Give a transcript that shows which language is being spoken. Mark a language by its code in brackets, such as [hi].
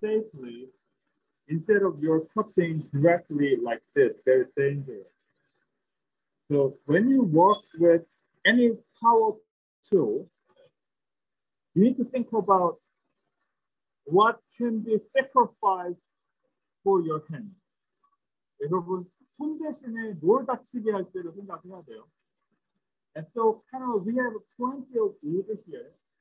[en] safely, instead of your cutting directly like this, very dangerous. So when you work with any power tool, you need to think about what can be sacrificed for your hands. [ko] 여러분, 손 대신에 뭘 다치게 할 때를 생각해야 돼요. [en] And so kind of we have plenty of wood here.